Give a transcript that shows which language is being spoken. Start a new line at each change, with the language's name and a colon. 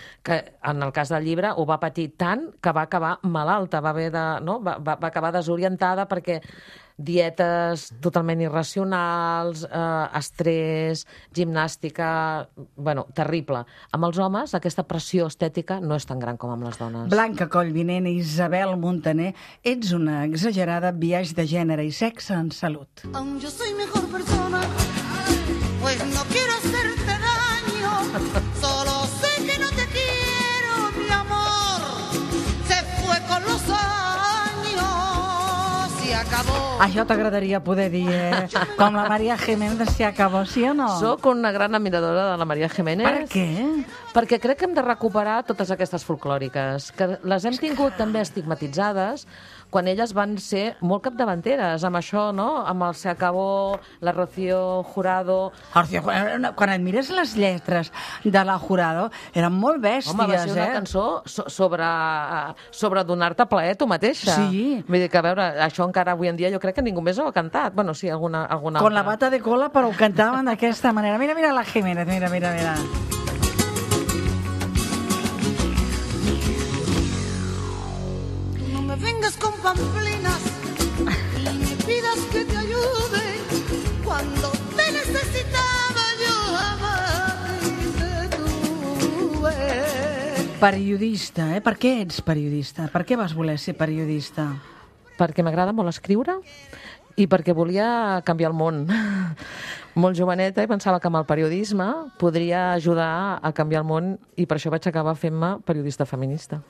Catalan: Que en el cas del llibre ho va patir tant que va acabar malalta, va acabar desorientada perquè dietes totalment irracionals, estrès, gimnàstica, terrible. Amb els homes aquesta pressió estètica no és tan gran com amb les dones. Blanca Collvinent i Isabel Montaner, Ets una exagerada, biaix de gènere i sexe en salut.
Spanish: Yo soy mejor persona, pues no quiero hacerte daño. Solo sé que no te quiero, mi amor. Se fue con los años y acabó.
Catalan: Això t'agradaria poder dir, Com la Maria Jiménez,
Spanish: si acabó,
Catalan: sí o no? Soc una gran admiradora de la Maria Jiménez. Per què? Perquè crec que hem de recuperar totes aquestes folklòriques, que les hem tingut també estigmatitzades quan elles van ser molt capdavanteres amb això, no? Amb el Se Acabó, la Rocío Jurado... Quan et mires les lletres de la Jurado, eren molt bèsties, Home, va ser una cançó sobre donar-te plaer tu mateixa. Sí. Vull dir que, a veure, això encara avui en dia jo crec que ningú més ho ha cantat. Bueno, sí, alguna altra.
Spanish: Con la bata de cola,
Catalan: però ho cantaven d'aquesta manera. Mira la Jiménez, mira.
Spanish: Vengas con pamplinas y me pidas que te ayude cuando te necesitaba yo jamás te tuve.
Catalan: Periodista, Per què ets periodista? Per què vas voler ser periodista? Perquè m'agrada molt escriure i perquè volia canviar el món. Molt joveneta i pensava que amb el periodisme podria ajudar a canviar el món i per això vaig acabar fent-me periodista feminista.